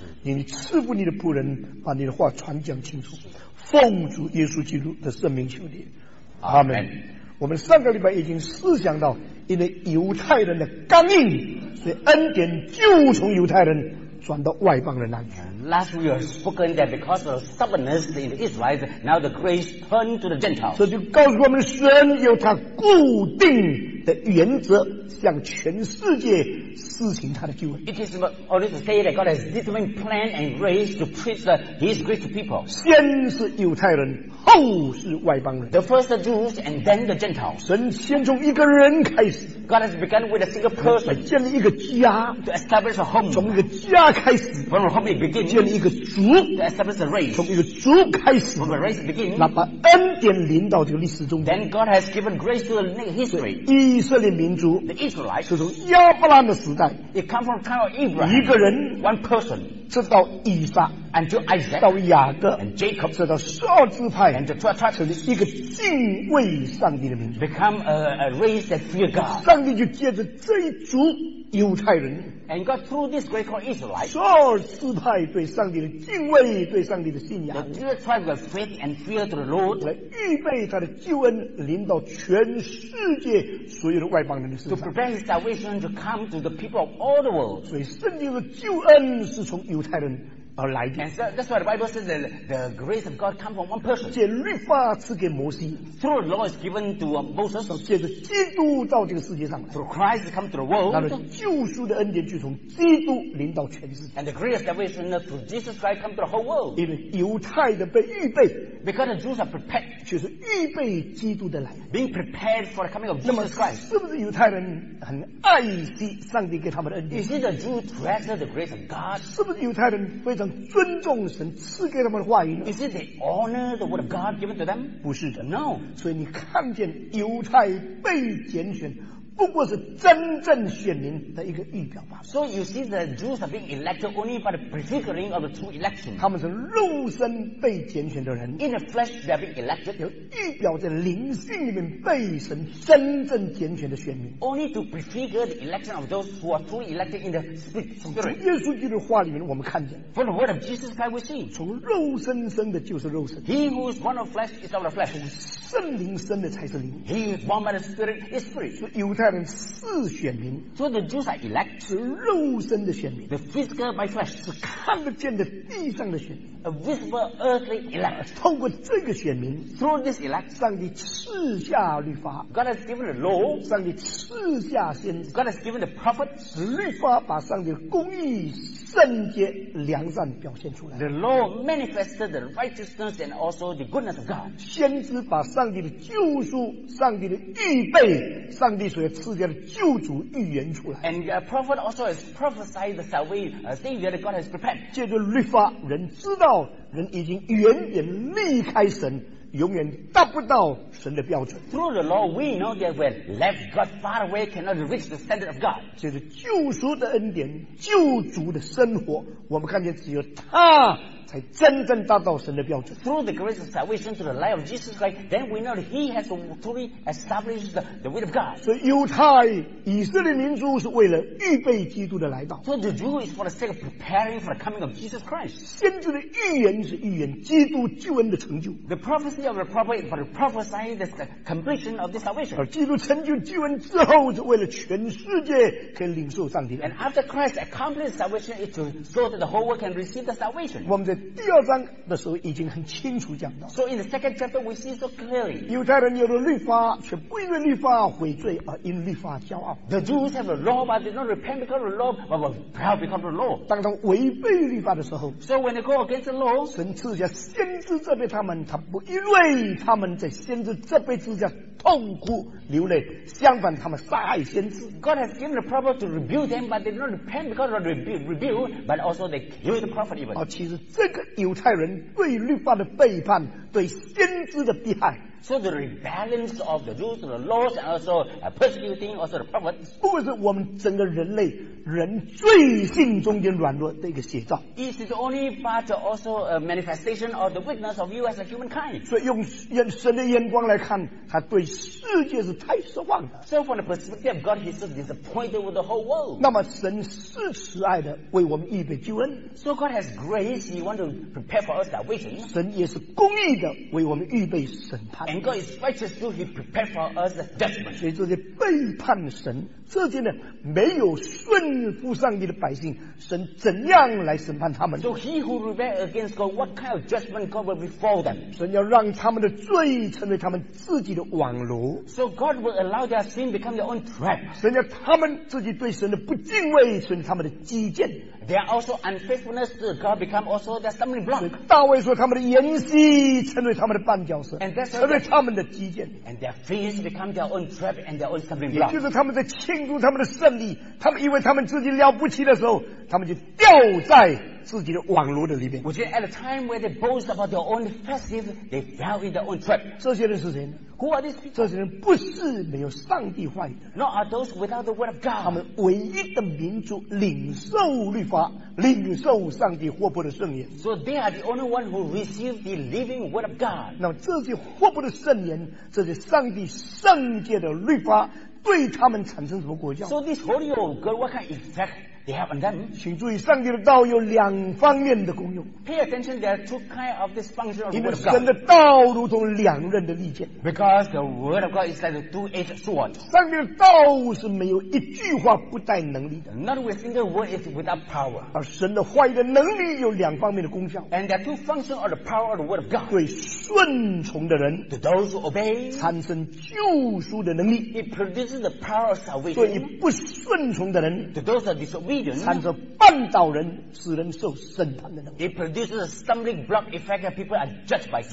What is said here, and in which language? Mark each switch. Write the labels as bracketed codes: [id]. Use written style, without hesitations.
[zh] 你赐福你的仆人，把你的话传讲清楚。奉主耶稣基督的圣名求你，阿门。我们上个礼拜已经思想到因为犹太人的刚硬，所以恩典就从犹太人转到外邦人那里。 [en] Last we have spoken that because of stubbornness in the Israelites, now the grace turned to the Gentiles. [zh] 这就告诉我们，神有他固定的原则，向全世界施行他的救恩。 [en] It is only to say that God has determined plan and grace to preach His grace to people. [zh] 先是犹太人，后是外邦人。 [en] The first the Jews and then the Gentiles. [zh] 神先从一个人开始。 [en] God has begun with a single person. [zh] 来建立一个家。 [en] To establish a home. [zh] 从一个家开始。 [en] From a home it begins. [zh] 建立一个族。 [en] To establish a race. [zh] 从一个族开始。 [en] From a race it begins. [zh] 那把恩典临到这个历史中。 [en] Then God has given grace to the history. [zh] 以色列民族 [en] the Israelites, [zh] 是从亚伯拉罕的时代 [en] it come from kind of Abraham, [zh] 一个人 [en] one person, [zh] 直到以撒 [en] and to Isaac, [zh] 到雅各 [en] and Jacob, [zh] 直到撒支派 [en] and to Tribes, [zh] 成为一个敬畏上帝的民族 [en] become a race that fear God. [zh] 上帝就借着这一族犹太人 [en] and God through this great called Israelites, [zh] 撒支派对上帝的敬畏对上帝的信仰 [en] the Jewish tribe with faith and fear to the Lord, [zh] 来预备他的救恩临到全世界所有的外邦人的身上 [en] to prepare his salvation to come to the people of all the world [zh] 所以圣经的救恩是从犹太人而来的 [en] and so, that's why the Bible says that the grace of God come from one person [zh] 借律法赐给摩西 [en] through the law is given to Moses [zh] 借着基督到这个世界上来 [en] through Christ come to the world [zh] 那么救赎的恩典就从基督临到全世界 [en] and the grace of salvation through Jesus Christ come to the whole world [zh] 因为犹太的被预备 [en] because the Jews are prepared [zh] 就是预备基督的来 [en] being prepared for the coming of Jesus Christ [zh] 是不是犹太人很爱惜上帝给他们的恩典 [en] is it the Jews treasure the grace of God [zh] 是不是犹太人非常尊重神赐给他们的话语呢 [en] Is it they honor the word of God given to them? [zh] 不是的 [en] No [zh] 所以你看见犹太被拣选不过是真正选民的一个预表罢了 [en] So you see the Jews are being elected only by the prefiguring of the true election [zh] 他们是肉身被拣选的人 [en] In the flesh they are being elected [zh] 有预表在灵性里面被神真正拣选的选民 [en] Only to prefigure the election of those who are truly elected in the spirit [zh] 从耶稣基督的话里面我们看见 [en] From the word of Jesus Christ we see [zh] 从肉身生的就是肉身 [en] He who is born of flesh is of the flesh [zh] 从圣灵生的才是灵 [en] He who is born by the spirit is spirit [zh] 所以犹太人是选民 [en] So the Jews are elect [zh] 是肉身的选民 [en] The physical by flesh [zh] 是看得见的地上的选民 [en] A visible earthly elect [zh] 透过这个选民 [en] Through this elect [zh] 上帝赐下律法 [en] God has given the law [zh] 上帝赐下先知 [en] God has given the prophet [zh] 使律法把上帝的公义圣洁良善表现出来 [en] The law manifested the righteousness and also the goodness of God [zh] 先知把上帝的救赎上帝的预备上帝所赐下的救主预言出来 [en] and a prophet also has prophesied the savior that God has prepared [zh] 借着律法人知道人已经远远离开神永远达不到神的标准 [en] through the law we know that we have left God far away cannot reach the standard of God [zh] 借着救赎的恩典救主的生活我们看见只有他才真正达到神的标准 [en] through the grace of salvation through the life of Jesus Christ then we know that he has truly established the will of God [zh] 所以犹太以色列民族是为了预备基督的来到 [en] so the Jew is for the sake of preparing for the coming of Jesus Christ [zh] 先知的预言是预言基督救恩的成就 [en] the prophecy of the prophet is for the prophecy that's the completion of the salvation [zh] 而基督成就救恩之后是为了全世界可以领受上帝的 [en] and after Christ accomplished salvation is to so that the whole world can receive the salvation [zh] 我们在第二章的时候已经很清楚讲到 [en] So in the second chapter we see so clearly [zh] 犹太人有了律法却不因为律法悔罪而因律法骄傲 [en] The Jews have a law but they don't repent because of the law but were proud because of the law [zh] 当他们违背律法的时候 [en] So when they go against the law [zh] 神赐下先知责备他们他不因为他们在先知责备之下痛哭流泪相反他们杀害先知 [en] God has given the prophet to rebuke them but they don't repent because of the rebuke but also they kill the prophet even [zh] 其实这个犹太人对律法的背叛对先知的迫害 [en] So the rebellion of the Jews to the laws and also persecuting also the prophet [zh] 不是我们整个人类人罪性中间软弱的一个写照 [en] It is only part also a manifestation of the weakness of you as a humankind [zh] 所以用神的眼光来看他对世界是太失望的 [en] So from the perspective of God he is disappointed with the whole world [zh] 那么神是慈爱的为我们预备救恩 [en] So God has grace he wants to prepare for us salvation [zh] 神也是公义的为我们预备审判 [en] And and God is righteous too, He prepared for us the judgment. [zh] 所以这些背叛神，这些呢没有顺服上帝的百姓，神怎样来审判他们 [en] ？So he who rebel against God, what kind of judgment God will befall them? [zh] 神要让他们的罪成为他们自己的网罗。 [en] So God will allow their sin become their own trap. [zh] 神要他们自己对神的不敬畏成为他们的基建。 [en] Their also unfaithfulness to God become also their stumbling block. [zh] 大卫说他们的筵席成为他们的绊脚石。 [en] And that's [zh] 成为他们的基建。 [en] And their feast become their own trap and their own stumbling block. [zh] 也就是他们在庆祝他们的胜利，他们以为他们自己了不起的时候，他们就掉在自己的网络的里面。 [en] Which at a time where they boast about their own festive, they fell in their own trap. [zh] 这些人是谁呢？ [en] Who are these people? [zh] 这些人不是没有上帝话语的。 [en] Nor are those without the word of God. [zh] 他们唯一的民族领受律法，领受上帝活泼的圣言。 [en] So they are the only one who receive the living word of God. [zh] 那么这些活泼的圣言，这些上帝圣洁的律法，对他们产生什么果效？ [en] So this holy old God, what kind of effect? They have on them. [zh] 请注意，上帝的道有两方面的功用。 [en] Pay attention, there are two kinds of this function of the word of God. [zh] 因为神的道如同两刃的利剑。 [en] Because the word of God is like a two-edged sword. [zh] 上帝的道是没有一句话不带能力的。 [en] Not with single word is without power. [zh] 而神的话语的能力有两方面的功效。 [en] And there are two functions of the power of the word of God. [zh] 对顺从的人 [en] ，to those who obey, [zh] 产生救赎的能力。 [en] It produces the power of salvation. [zh] 对于不顺从的人 [en] ，to those who disobey. [zh] 产生绊倒人，使人受审判的能力。 [en] It produces a stumbling block effect that people are judged by.